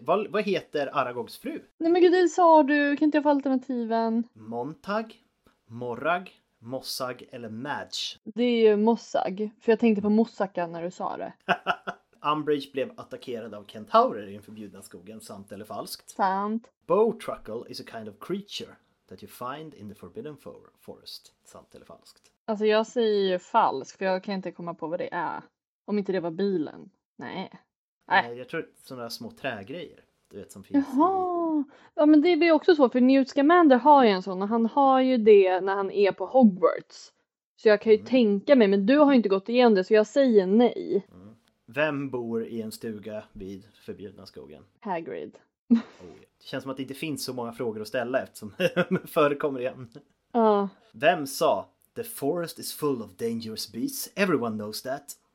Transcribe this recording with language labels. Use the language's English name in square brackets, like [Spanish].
[Swedish] Vad heter Aragogs fru? Nej men gud, det sa du. Kan inte jag få alternativen? Montag, Morrag, Mossag eller Madge? Det är ju Mossag. För jag tänkte på Mossaka när du sa det. Umbridge blev attackerad av kentaurer i den förbjudna skogen, sant eller falskt? Sant. [English] Bowtruckle is a kind of creature that you find in the Forbidden Forest, [Swedish] sant eller falskt? Alltså jag säger ju falskt, för jag kan inte komma på vad det är. Om inte det var bilen. Nej. Nej, jag tror sådana små trägrejer, du vet, som finns. Jaha! Ja, men det blir också så, för Newt Scamander har ju en sån, och han har ju det när han är på Hogwarts. Så jag kan ju tänka mig, men du har ju inte gått igenom det, så jag säger nej. Mm. Vem bor i en stuga vid förbjudna skogen? Hagrid. Oh, det känns som att det inte finns så många frågor att ställa eftersom förekommer igen. Vem sa, [English] the forest is full of dangerous beasts, everyone knows that?